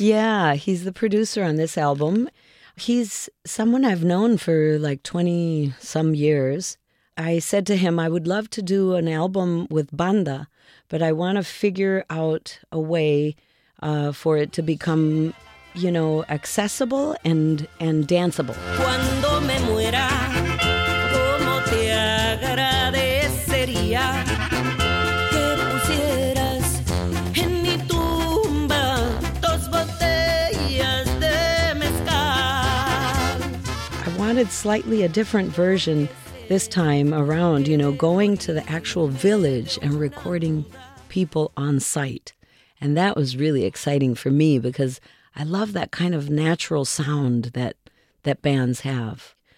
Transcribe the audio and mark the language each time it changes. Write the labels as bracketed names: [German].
[English] Yeah, he's the producer on this album. He's someone I've known for like 20-some years. I said to him, I would love to do an album with banda, but I want to figure out a way for it to become, you know, accessible and danceable. [Spanish] Cuando me muera, como te agradecería que pusieras en mi tumba dos botellas de mezcal. [English] I wanted slightly a different version this time around, you know, going to the actual village and recording people on site. And that was really exciting for me because I love that kind of natural sound that bands have.